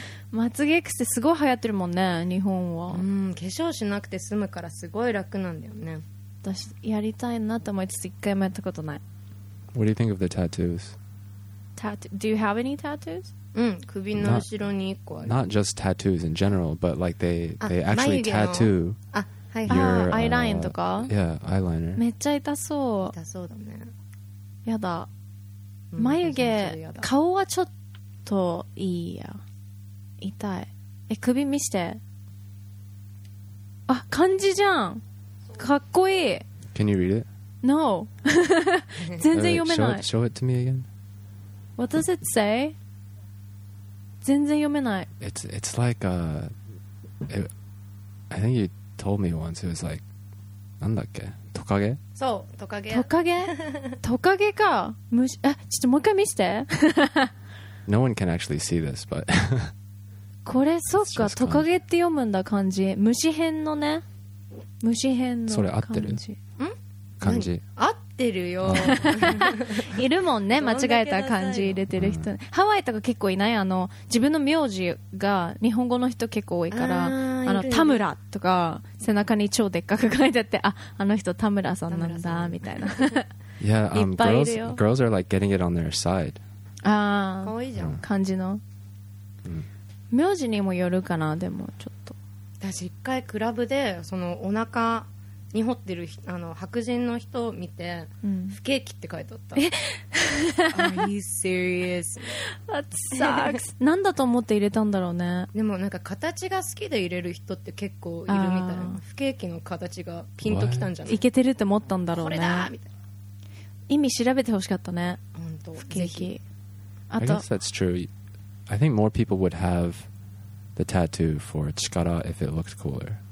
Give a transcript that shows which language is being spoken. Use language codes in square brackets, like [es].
[ja] 松江くってすごい流行ってるもんね、日本は。うん、化粧しなくて済むからすごい楽なんだよね。私やりたいなと思いつつ一回もやったことない。 [en] What do you think of the tattoos? Do you have any tattoos? [ja] うん、首の後ろに一個ある。 [en] Not just tattoos in general, but like they actually tattoo。 [ja] はいはい、アイラインとか。 [en] Yeah, eyeliner. [ja] めっちゃ痛そう。痛そうだね。やだ、うん、眉毛だ。顔はちょっといいや。痛い。え、首見して。あ、漢字じゃん。かっこいい。 [en] Can you read it? [ja] No. 全然読めない。 [en] Show it to me again. What does it say? [ja] 全然読めない。 [en] It's like a I think youtold me once, it was like, [ja] なんだっけ、トカゲ。そう、トカゲ。トカゲ、トカゲか。虫、え、ちょっともう一回見して。 No one can actually see this, but これそっかトカゲって読むんだ漢字。虫編のね、虫編の漢字。うん？漢字。合ってるよ。いるもんね、間違えた漢字入れてる人。ハワイとか結構いない、あの自分の名字が日本語の人結構多いから、あの田村とか背中に超でっかく書いてあって、あの人田村さんなんだみたいな。 [en] Yeah, girls, girls are like getting it on their side. [ja] ああ、可愛いじゃん。漢字の。名字にもよるかな、でもちょっと。私一回クラブでそのお腹に掘ってるあの白人の人を見て、不景気って書いてあった。 [en] Are you serious? That sucks. [ja] 何だと思って入れたんだろうね。でもなんか形が好きで入れる人って結構いるみたいな。不景気の形がピンときたんじゃない？いけてるって思ったんだろうね。これだみたいな。意味調べてほしかったね。本当。不景気。 [en] あと、I guess that's true. I think more people would have the tattoo for chikara if it looked cooler.